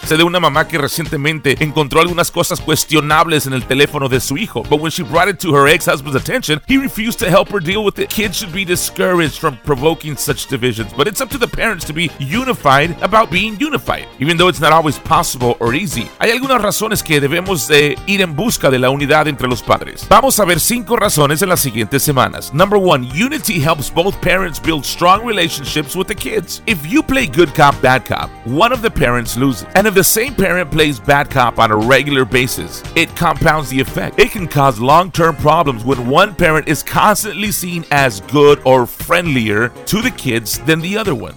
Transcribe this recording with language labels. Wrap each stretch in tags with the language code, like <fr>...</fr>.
<es>Sé de una mamá que recientemente encontró algunas cosas cuestionables en el teléfono de su hijo,</es> <en>but when she brought it to her ex-husband's attention, he refused to help her deal with it. Kids should be discouraged from provoking such divisions, but it's up to the parents to be unified about being unified, even though it's not always possible or easy.</en> <es>Hay algunas razones que debemos de ir en busca de la unidad entre los padres. Vamos a ver cinco razones en las siguientes semanas.</es> <en>Number one, unity helps both parents build strong relationships with the kids. If you play good cop, bad cop, one of the parents loses. And if the same parent plays bad cop on a regular basis, it compounds the effect. It can cause long-term problems when one parent is constantly seen as good or friendlier to the kids than the other one.</en>